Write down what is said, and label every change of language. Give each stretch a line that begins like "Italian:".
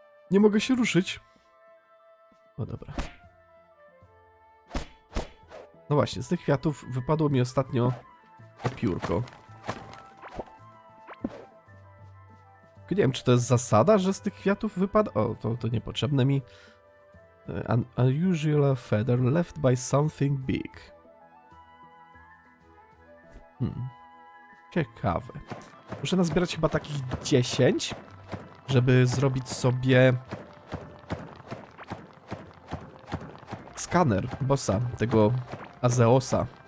Polish: Nie mogę się ruszyć. No dobra. No właśnie, z tych kwiatów wypadło mi ostatnio to piórko. Nie wiem, czy to jest zasada, że z tych kwiatów wypada. O, to niepotrzebne mi.
English: An unusual feather left by something big.
Polish: Ciekawe. Muszę nazbierać chyba takich 10, żeby zrobić sobie skaner bossa, tego Azeosa.